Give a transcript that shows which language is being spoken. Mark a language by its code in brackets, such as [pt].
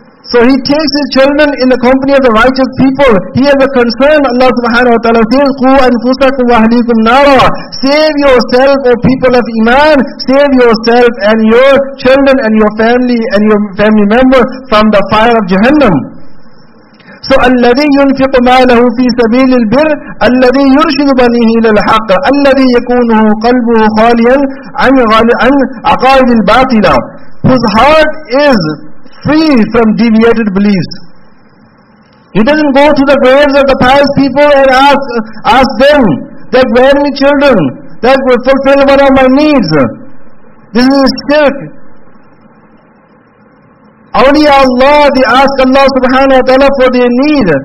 [en] So he takes his children in the company of the righteous people. He has a concern. Allah subhanahu wa ta'ala says, [ar] Qu anfusakum wa ahlikum nara. [en] Save yourself, O people of Iman. Save yourself and your children and your family and your family member from the fire of Jahannam. [ar] So الذي ينفق ماله في سبيل البر الذي يرشد بنيه إلى الحق الذي يكون قلبه خاليا عن عقائد الباطلة. [en] Whose heart is free from deviated beliefs. He doesn't go to the graves of the pious people and ask them that where are my children, that will fulfill what are my needs. This is a shirk. Only Allah, they ask Allah subhanahu wa ta'ala for their need.